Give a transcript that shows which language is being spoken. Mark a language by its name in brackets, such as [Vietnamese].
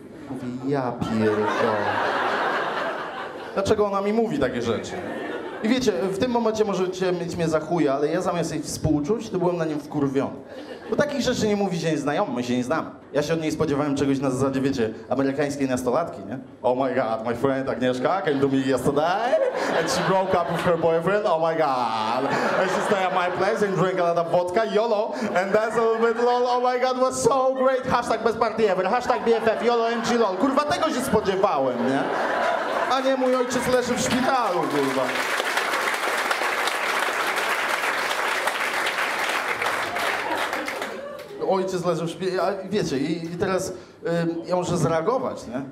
[Polish] Mówi, ja pierdolę. Dlaczego ona mi mówi takie rzeczy? I wiecie, w tym momencie możecie mieć mnie za chuja, ale ja zamiast jej współczuć, to byłem na nim wkurwiony. Bo takich rzeczy nie mówi się nieznajomy, my się nie znamy. Ja się od niej spodziewałem czegoś na zasadzie, wiecie, amerykańskiej nastolatki, nie? [English] Oh my god, my friend Agnieszka came to me yesterday and she broke up with her boyfriend, oh my god. And she stay at my place and drink a lot of vodka, YOLO, and that's a little bit lol, oh my god, was so great, hashtag best party ever, hashtag BFF, YOLO, MG, LOL. [Polish] Kurwa, tego się spodziewałem, nie? A nie, mój ojciec leży w szpitalu, kurwa. Ojciec leży w szpitalu, wiecie, i teraz ja muszę zareagować, nie?